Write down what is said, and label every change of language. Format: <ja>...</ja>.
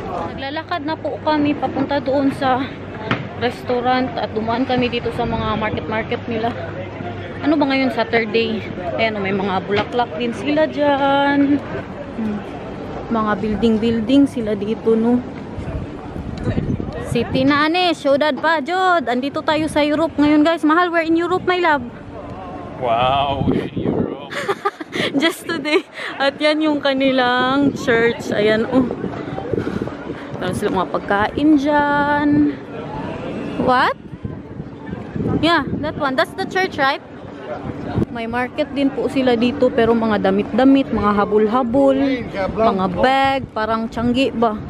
<tl>Naglalakad na po kami papunta doon sa restaurant at dumaan kami dito sa mga market nila. Ano ba ngayon, Saturday? Ayan, may mga bulaklak din sila dyan. Mga building sila dito, no? City na, ane. Siyudad pa, Jod. Andito tayo sa Europe ngayon, guys.</tl> <en>Mahal, we're in Europe, my love. Wow, we're in Europe. Just today.</en> <tl>At yan yung kanilang church. Ayan, oh. Meron silang mga pagkain dyan.</tl> <en>What? Yeah, that one. That's the church, right?</en> <tl>May market din po sila dito pero mga damit-damit, mga habol-habol, mga bag, parang tiyanggi ba.</tl>